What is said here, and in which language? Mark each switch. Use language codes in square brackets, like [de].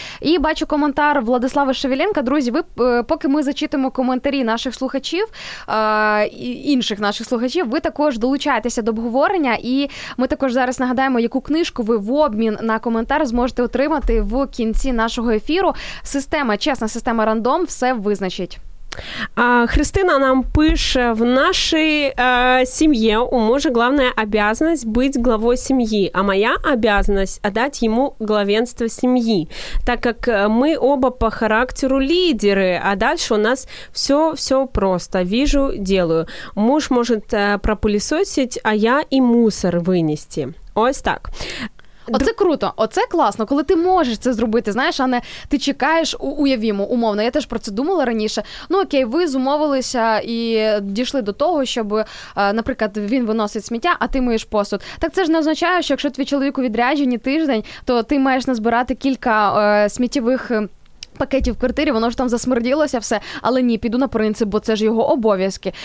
[uk] І бачу коментар Владислава Шевеленка. Друзі, ви, поки ми зачитуємо коментарі наших слухачів, інших наших слухачів, ви також долучаєтеся до обговорення, і ми також зараз нагадаємо, яку книжку ви в обмін на коментар зможете отримати в кінці нашого ефіру. Система, чесна система рандом, все визначить. [ru] Христина [uk] нам пише, [ru] в нашій сім'ї у мужа главная обязанность быть главой семьи, а моя обязанность отдать ему главенство семьи, так как мы оба по характеру лидеры, а дальше у нас все просто, вижу, делаю. Муж может пропылесосить, а я и мусор вынести. [uk] Ось так. Оце круто, оце класно, коли ти можеш це зробити, знаєш, а не ти чекаєш, уявімо, умовно, я теж про це думала раніше, ну окей, ви зумовилися і дійшли до того, щоб, наприклад, він виносить сміття, а ти миєш посуд. Так це ж не означає, що якщо твій чоловік у відрядженні тиждень, то ти маєш назбирати кілька сміттєвих пакетів в квартирі, воно ж там засмерділося все, але ні, піду на принцип, бо це ж його обов'язки.